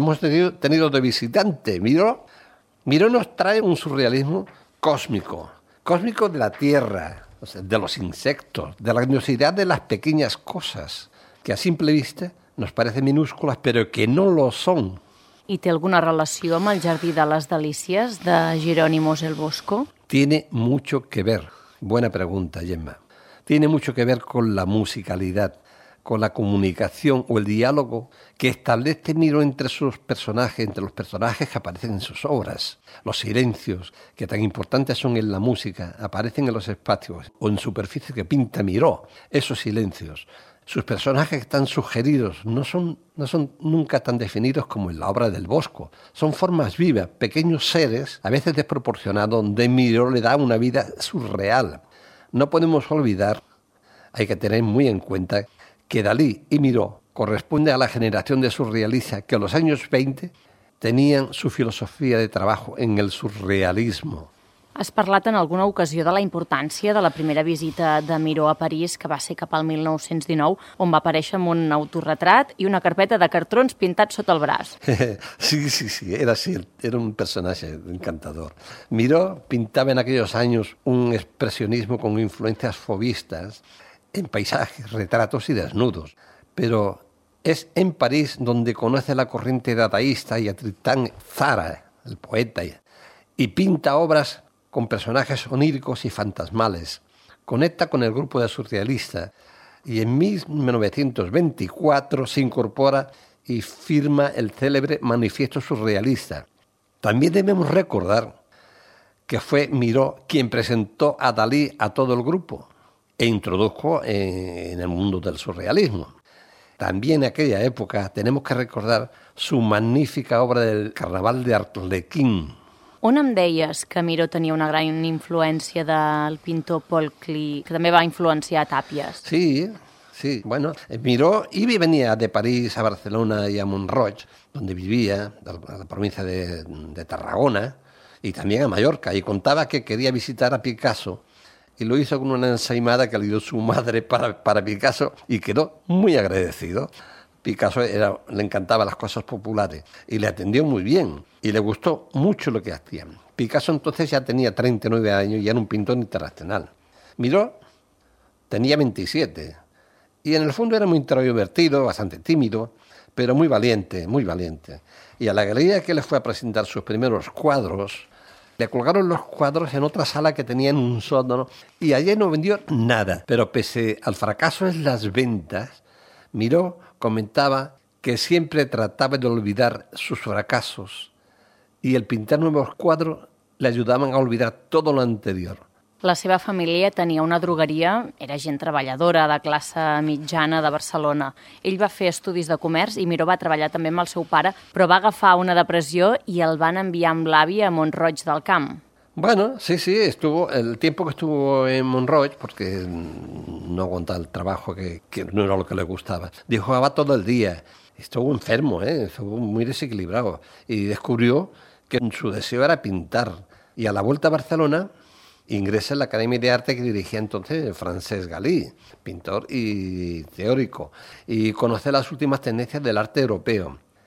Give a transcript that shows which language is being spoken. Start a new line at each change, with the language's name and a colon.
Spanish: Le hemos tenido de visitante. Miró nos trae un surrealismo cósmico, cósmico de la tierra, o sea, de los insectos, de la grandiosidad de las pequeñas cosas, que a simple vista nos parecen minúsculas, pero que no lo son.
Catalan: ¿Y té alguna relació amb el Jardí de les Delícies de Jerónimos el Bosco?
Spanish: Tiene mucho que ver. Buena pregunta, Gemma. Tiene mucho que ver con la musicalidad, con la comunicación o el diálogo que establece Miró entre sus personajes, entre los personajes que aparecen en sus obras. Los silencios, que tan importantes son en la música, aparecen en los espacios o en superficies que pinta Miró. Esos silencios, sus personajes están sugeridos, no son nunca tan definidos como en la obra del Bosco. Son formas vivas, pequeños seres, a veces desproporcionados, donde Miró le da una vida surreal. No podemos olvidar, hay que tener muy en cuenta, que Dalí y Miró corresponden a la generación de surrealistas que en los años 20 tenían su filosofía de trabajo en el surrealismo.
Catalan: Has parlat en alguna ocasió de la importància de la primera visita de Miró a París, que va ser cap al 1919, on va aparèixer amb un autorretrat i una carpeta de cartrons pintats sota el braç.
Spanish: Sí, era así, era un
Catalan: personatge encantador. Miró pintava en aquells anys un expressionisme amb influències fauvistes en
Spanish: paisajes, retratos y desnudos. Pero es en París donde conoce la corriente dadaísta y a Tristán Tzara, el poeta, y pinta obras con personajes oníricos y fantasmales. Conecta con el grupo de surrealistas y en 1924 se incorpora y firma el célebre Manifiesto Surrealista. También debemos recordar que fue Miró quien presentó a Dalí a todo el grupo e introdujo en el mundo del surrealismo. También en aquella época tenemos que recordar su magnífica obra del Carnaval de Arlequín.
Catalan: On em deies que Miró tenia una gran influència del pintor Paul Klee, que també va influenciar Tàpies?
Spanish: Sí, bueno, Miró iba y venía de París a Barcelona y a Montroig, donde vivía, a la provincia de Tarragona, y también a Mallorca, y contaba que quería visitar a Picasso, y lo hizo con una ensaimada que le dio su madre para Picasso y quedó muy agradecido. Picasso le encantaba las cosas populares y le atendió muy bien y le gustó mucho lo que hacían. Picasso entonces ya tenía 39 años y era un pintor internacional. Miró tenía 27 y en el fondo era muy introvertido, bastante tímido, pero muy valiente, muy valiente. Y a la galería que le fue a presentar sus primeros cuadros, le colgaron los cuadros en otra sala que tenía en un sótano y allí no vendió nada. Pero pese al fracaso en las ventas, Miró comentaba que siempre trataba de olvidar sus fracasos y el pintar nuevos cuadros le ayudaban a olvidar todo lo anterior.
Catalan: La seva família tenia una drogueria, era gent treballadora de classe mitjana de Barcelona. Ell va fer estudis de comerç i Miró va treballar també amb el seu pare, però va agafar una depressió i el van enviar amb l'avi a Montroig del Camp.
Spanish: Bueno, sí, estuvo el tiempo que estuvo en Montroig, porque no aguantaba el trabajo, que no era lo que le gustaba. Dijo, va todo el día. Estuvo enfermo, estuvo muy desequilibrado. Y descubrió que su deseo era pintar. Y a la vuelta a Barcelona ingresa en la Academia de Arte que dirigía entonces Francesc Galí, pintor y teórico, y conoce las últimas tendencias del arte europeo.